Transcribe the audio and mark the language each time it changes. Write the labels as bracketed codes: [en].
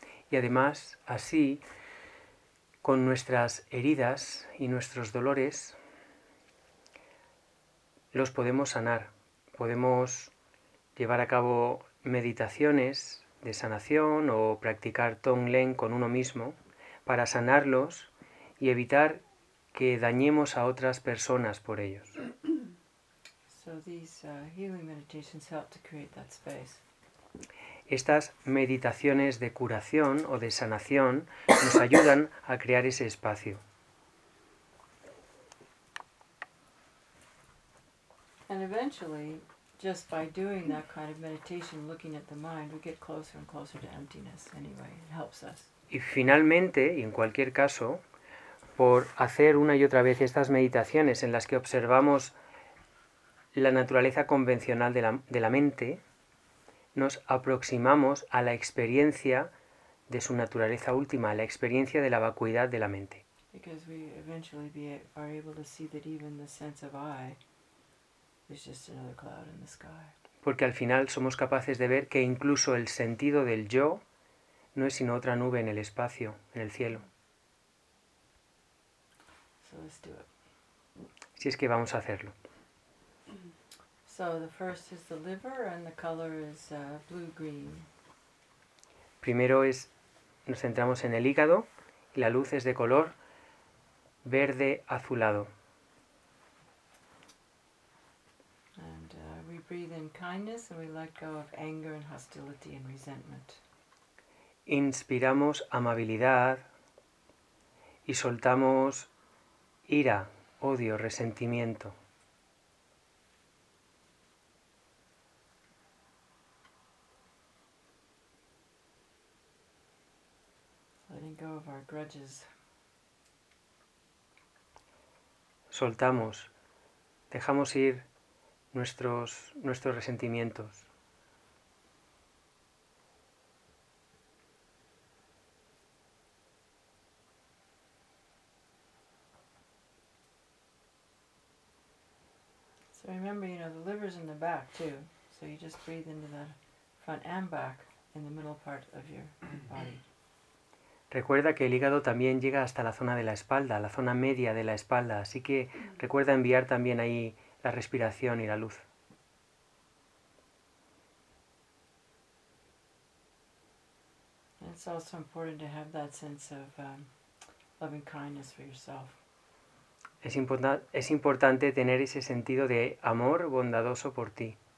[es] Y además, así, con nuestras heridas y nuestros dolores, los podemos sanar. Podemos llevar a cabo meditaciones de sanación o practicar Tonglen con uno mismo para sanarlos y evitar que dañemos a otras personas por ellos. [en] So these healing meditations help to create that space. [es] estas meditaciones de curación o de sanación nos ayudan a crear ese espacio. [en] And eventually, just by doing that kind of meditation, looking at the mind, we get closer and closer to emptiness anyway. It helps us. [es] Y finalmente, y en cualquier caso, por hacer una y otra vez estas meditaciones en las que observamos la naturaleza convencional de la mente, nos aproximamos a la experiencia de su naturaleza última, a la experiencia de la vacuidad de la mente. [en] Because we eventually are able to see that even the sense of I is just another cloud in the sky. [es] Porque al final somos capaces de ver que incluso el sentido del yo no es sino otra nube en el espacio, en el cielo. [en] So let's do it. [es] Si es que vamos a hacerlo. [en] So the first is the liver and the color is blue-green. [es] Primero es, nos centramos en el hígado y la luz es de color verde azulado. [en] And we breathe in kindness and we let go of anger and hostility and resentment. [es] Inspiramos amabilidad y soltamos ira, odio, resentimiento. [en] Letting go of our grudges. [es] Soltamos, dejamos ir nuestros resentimientos. [en] So remember, you know, the liver's in the back too. So you just breathe into the front and back in the middle part of your body. [es] Recuerda que el hígado también llega hasta la zona de la espalda, la zona media de la espalda, así que recuerda enviar también ahí la respiración y la luz. [en] It's also important to have that sense of loving kindness for yourself. [es] Es importante tener ese sentido de amor bondadoso por ti.